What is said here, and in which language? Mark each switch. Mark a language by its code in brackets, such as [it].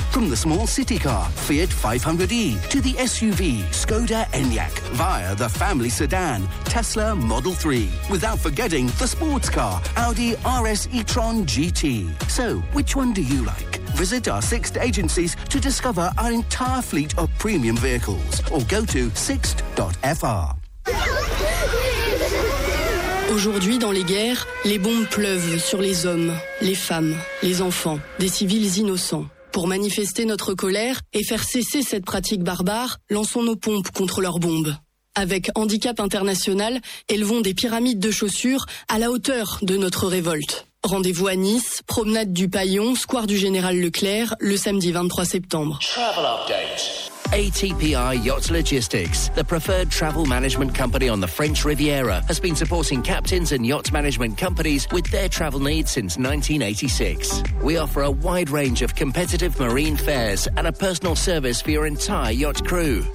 [en] From the small city car, Fiat 500e, to the SUV, Skoda Enyaq, via the family sedan, Tesla Model 3, without forgetting the sports car, Audi RS e-tron GT. So, which one do you like? Visit our Sixt agencies to discover our entire fleet of premium vehicles, or go to sixt.fr. [fr] Aujourd'hui, dans les guerres, les bombes pleuvent sur les hommes, les femmes, les enfants, des civils innocents. Pour manifester notre colère et faire cesser cette pratique barbare, lançons nos pompes contre leurs bombes. Avec Handicap International, élevons des pyramides de chaussures à la hauteur de notre révolte. Rendez-vous à Nice, promenade du Paillon, square du Général Leclerc, le samedi 23 septembre. [en] Travel update. ATPI Yacht Logistics, the preferred travel management company on the French Riviera, has been supporting captains and yacht management companies with their travel needs since 1986. We offer a wide range of competitive marine fares and a personal service for your entire yacht crew.